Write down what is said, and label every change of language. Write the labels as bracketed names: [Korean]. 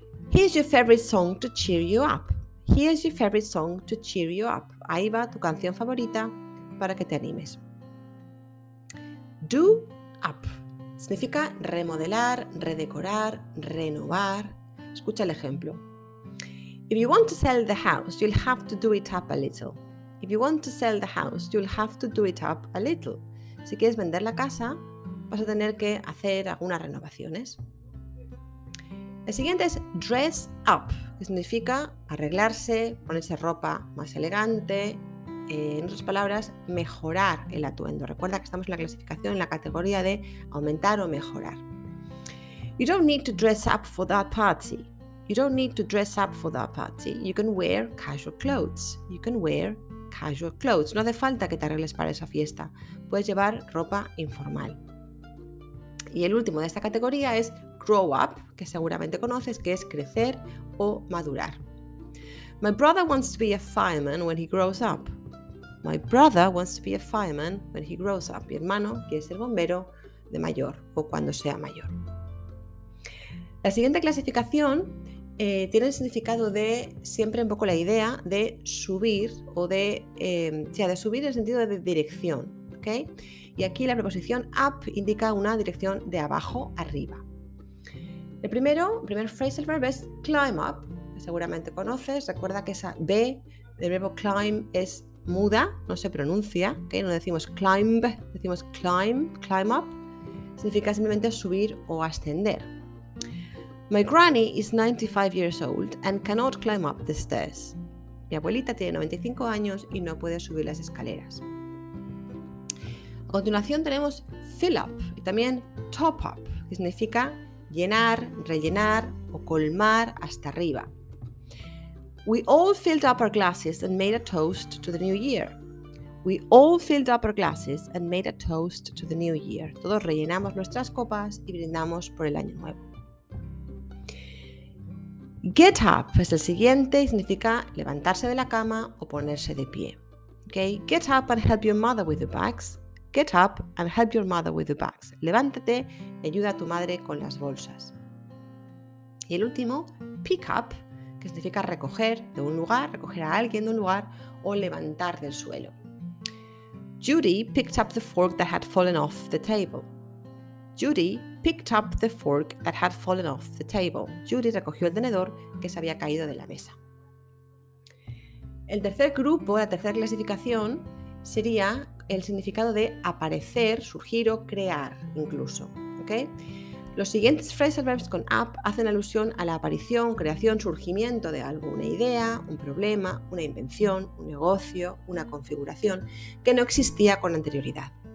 [English] Here's your favorite song to cheer you up. Here's your favorite song to cheer you up. [Spanish] Ahí va tu canción favorita para que te animes. Do up significa remodelar, redecorar, renovar. Escucha el ejemplo. [English] If you want to sell the house, you'll have to do it up a little. If you want to sell the house, you'll have to do it up a little. [Spanish] Si quieres vender la casa, vas a tener que hacer algunas renovaciones. El siguiente es dress up, que significa arreglarse, ponerse ropa más elegante, en otras palabras, mejorar el atuendo. Recuerda que estamos en la clasificación, en la categoría de aumentar o mejorar. [English] You don't need to dress up for that party. You don't need to dress up for that party. You can wear casual clothes. You can wear casual clothes. [Spanish] No hace falta que te arregles para esa fiesta. Puedes llevar ropa informal. Y el último de esta categoría es grow up, que seguramente conoces, que es crecer o madurar. [English] My brother wants to be a fireman when he grows up. My brother wants to be a fireman when he grows up. [Spanish] Mi hermano quiere ser bombero de mayor o cuando sea mayor. La siguiente clasificación tiene el significado de siempre un poco la idea de subir o de, de subir en el sentido de dirección, ¿okay? Y aquí la preposición up indica una dirección de abajo arriba. El primer phrasal verb es climb up, que seguramente conoces. Recuerda que esa B del verbo climb es muda, no se pronuncia, ¿okay? No decimos climb, decimos climb, climb up. Significa simplemente subir o ascender. [English] My granny is 95 years old and cannot climb up the stairs. [Spanish] Mi abuelita tiene 95 años y no puede subir las escaleras. A continuación tenemos fill up y también top up, que significa llenar, rellenar o colmar hasta arriba. [English] We all filled up our glasses and made a toast to the new year. We all filled up our glasses and made a toast to the new year. [Spanish] Todos rellenamos nuestras copas y brindamos por el año nuevo. Get up es el siguiente y significa levantarse de la cama o ponerse de pie. [English] Okay? Get up and help your mother with the bags. Get up and help your mother with the bags. [Spanish] Levántate y ayuda a tu madre con las bolsas. Y el último, pick up, que significa recoger de un lugar, recoger a alguien de un lugar o levantar del suelo. [English] Judy picked up the fork that had fallen off the table. Judy picked up the fork that had fallen off the table. [Spanish] Judy recogió el tenedor que se había caído de la mesa. El tercer grupo, la tercera clasificación, sería el significado de aparecer, surgir o crear incluso. ¿Okay? Los siguientes phrasal verbs con up hacen alusión a la aparición, creación, surgimiento de algo, una idea, un problema, una invención, un negocio, una configuración que no existía con anterioridad.